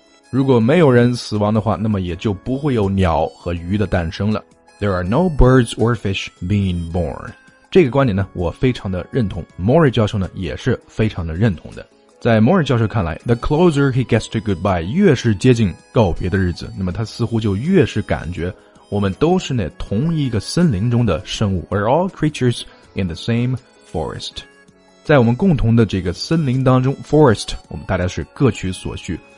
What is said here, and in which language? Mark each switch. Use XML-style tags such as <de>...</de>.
<zh>如果没有人死亡的话，那么也就不会有鸟和鱼的诞生了。</zh> <en>There are no birds or fish being born.</en> <zh>这个观点呢，我非常的认同。 Maury 教授呢，也是非常的认同的。在 Maury 教授看来 ，</zh> <en>the closer he gets to goodbye，</en> <zh>越是接近告别的日子，那么他似乎就越是感觉我们都是那同一个森林中的生物。</zh> <en>We're all creatures in the same forest.</en> <zh>在我们共同的这个森林当中 ，forest， 我们大家是各取所需。</zh>